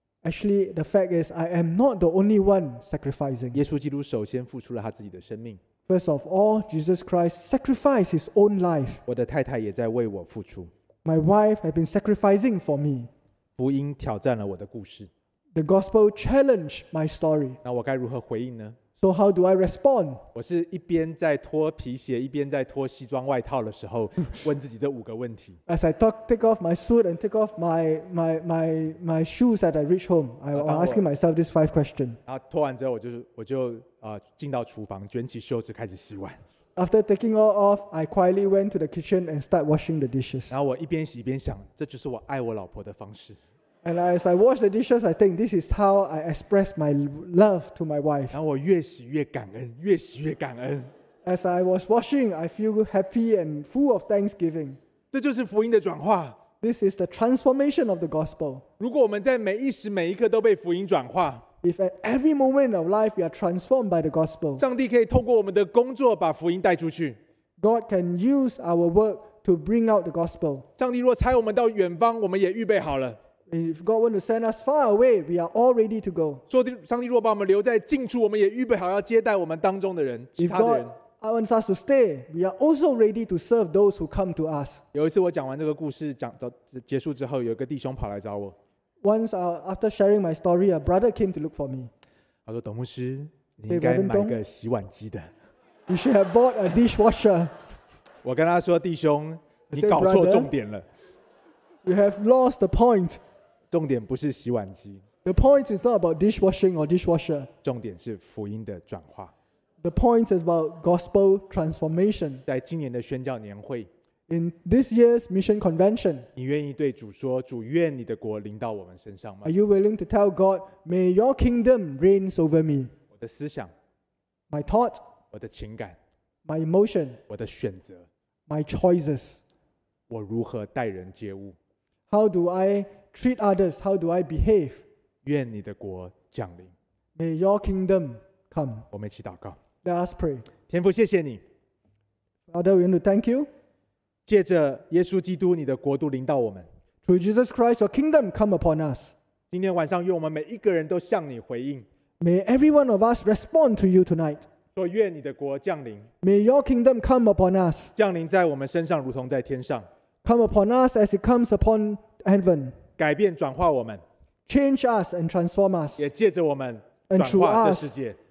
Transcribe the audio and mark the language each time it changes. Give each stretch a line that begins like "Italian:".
English: Actually, the fact is I am not the only one sacrificing.
Chinese: 耶稣基督首先付出了他自己的生命。
English: First of all, Jesus Christ sacrificed his own life.
Chinese: 我的太太也在为我付出。
English: My wife has been sacrificing for me.
Chinese: 福音挑战了我的故事。
English: The gospel challenged my story.
Chinese: 那我该如何回应呢？
English: So how do I respond?
Chinese: 我是一边在脱皮鞋，一边在脱西装外套的时候，问自己这五个问题。
English: As I take off my suit and take off my shoes as I reach home, I'm asking myself these five questions.
Chinese: 然后脱完之后，我就进到厨房，卷起袖子开始洗碗。
English: After taking all off, I quietly went to the kitchen and start washing the dishes.
Chinese: 然后我一边洗一边想，这就是我爱我老婆的方式。
English: And as I wash the dishes, I think this is how I express my love to my wife.
Chinese: 然后我越洗越感恩，越洗越感恩。
English: As I was washing, I feel happy and full of thanksgiving.
Chinese: 这就是福音的转化。
English: This is the transformation of the gospel.
Chinese: 如果我们在每一时每一刻都被福音转化
English: ，If at every moment of life we are transformed by the gospel,
Chinese: 上帝可以透过我们的工作把福音带出去。
English: God can use our work to bring out the gospel.
Chinese: 上帝若差我们到远方，我们也预备好了。
English: And if God wants to send us far away, we are all ready to go.
Chinese: 上帝若把我们留在近处，我们也预备好要接待我们当中的人，其他的人。
English: I want us to stay. We are also ready to serve those who come to us.
Chinese: 有一次我讲完这个故事，讲到结束之后，有一个弟兄跑来找我。
English: Once after sharing my story, a brother came to look for me.
Chinese: 他说：“董牧师，你应该买个洗碗机的。
English: ”You should have bought a dishwasher.
Chinese: 我跟他说：“弟兄，你搞错重点了。
English: ”You have lost the point.
Chinese: 重点不是洗碗机。
English: The point is not about dishwashing or dishwasher.
Chinese: 重点是福音的转化。
English: The point is about gospel transformation.
Chinese: 在今年的宣教年会
English: ，In this year's mission convention,
Chinese: 你愿意对主说：“主，愿你的国临到我们身上吗
English: ？”Are you willing to tell God, "May your kingdom reigns over me"?
Chinese: 我的思想
English: ，My thought.
Chinese: 我的情感
English: ，My emotion.
Chinese: 我的选择
English: ，My choices.
Chinese: 我如何待人接物
English: ？How do I treat others? How do I behave?
Chinese: 愿你的国降临
English: ，May your kingdom come.
Chinese: 我们一起祷告。
English: Let us pray.
Chinese: 天父，谢谢你。
English: Father, we want to thank you.
Chinese: 借着耶稣基督，你的国度临到我们。
English: Through Jesus Christ, your kingdom come upon us.
Chinese: 今天晚上，愿我们每一个人都向你回应。
English: May every one of us respond to you tonight.
Chinese: 说愿你的国降临。
English: May your kingdom come upon us.
Chinese: 降临在我们身上，如同在天上。
English: Come upon us as it comes upon heaven.
Chinese: 改变转化我们。
English: Change us and transform us.
Chinese: 也借着我们转化这世界。